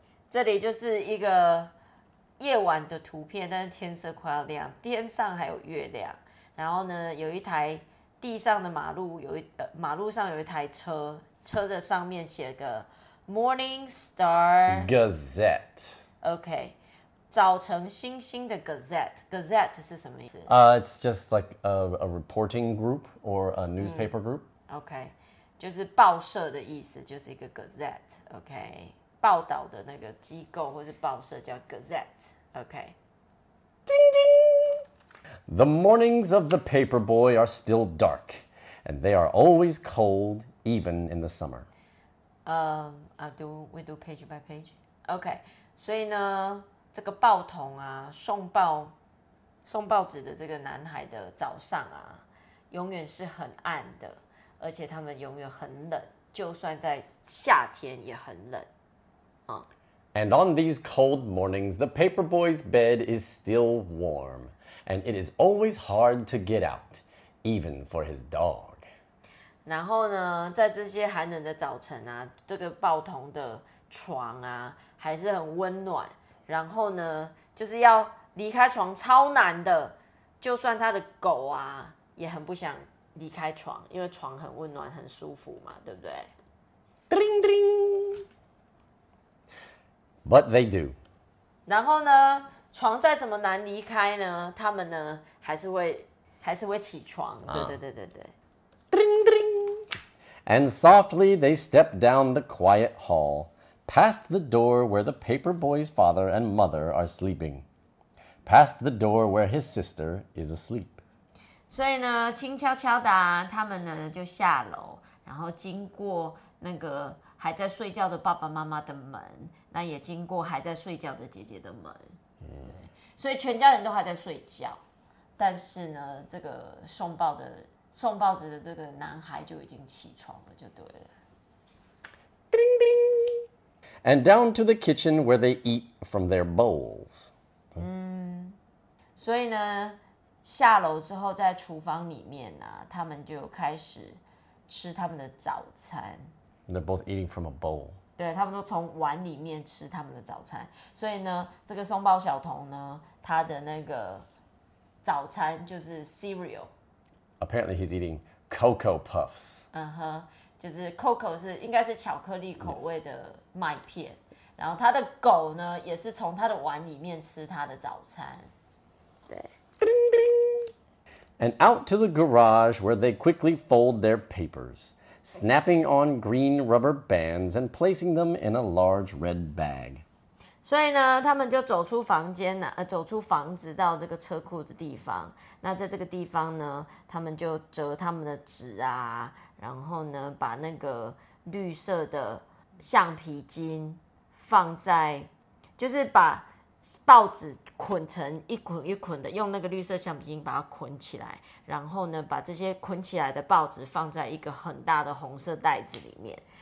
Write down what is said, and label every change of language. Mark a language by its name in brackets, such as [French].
[Chinese] 这里就是一个夜晚的图片，但是天色快要亮，天上还有月亮。然后呢，有一台地上的马路，马路上有一台车，车的上面写个 Morning Star [English] Gazette. Okay. [Chinese] 早晨星星的 Gazette， Gazette 是什么意思？ [English] It's just like a reporting group or a newspaper group. [Chinese] Okay， 就是报社的意思，就是一个 Gazette。 Okay， 报道的那个机构或是报社叫 Gazette。 Okay，叮叮。 [English] The mornings of the paper boy are still dark, and they are always cold, even in the summer. We do page by page. Okay， [Chinese] 所以呢。这个报童啊，送报纸的这个男孩的早上啊，永远是很暗的，而且他们永远很冷，就算在夏天也很冷。 [English] And on these cold mornings, the paper boy's bed is still warm, and it is always hard to get out, even for his dog. [Chinese] 然后呢，在这些寒冷的早晨啊，这个报童的床啊，还是很温暖。然后呢，就是要离开床超难的，就算他的狗啊也很不想离开床，因为床很温暖很舒服嘛，对不对？ [English] 叮叮。But they do. [Chinese] 然后呢，床再怎么难离开呢，他们呢还是会起床。对。 [English] 叮叮。And softly they step down the quiet hall. Past the door where the paper boy's father and mother are sleeping. Past the door where his sister is asleep. [Chinese] 所以呢，轻悄悄的、啊，他们呢就下楼，然后经过那个还在睡觉的爸爸妈妈的门，那也经过还在睡觉的姐姐的门。所以全家人都还在睡觉，但是呢，这个送报纸的这个男孩就已经起床了，就对了。叮叮。 [English] And down to the kitchen where they eat from their bowls. [Chinese] 嗯，所以呢，下楼之后在厨房里面啊，他们就开始吃他们的早餐。 [English] They're both eating from a bowl. [Chinese] 对，他们都从碗里面吃他们的早餐。所以呢，这个松包小童呢，他的那个早餐就是 cereal. [English] Apparently he's eating Cocoa Puffs. [Chinese] 嗯哼。就是 Coco 是应该是巧克力口味的麦片、yeah. 然后他的狗呢也是从他的碗里面吃他的早餐，对。叮叮。 [English] And out to the garage where they quickly fold their papers, snapping on green rubber bands and placing them in a large red bag. [Chinese] 所以呢他们就走出房间、走出房子到这个车库的地方，那在这个地方呢他们就折他们的纸啊，然后呢把那个绿色的橡皮筋放在，就是把报纸捆成一捆一捆的，用那个绿色橡皮筋把它捆起来，然后呢把这些捆起来的报纸放在一个很大的红色袋子里面。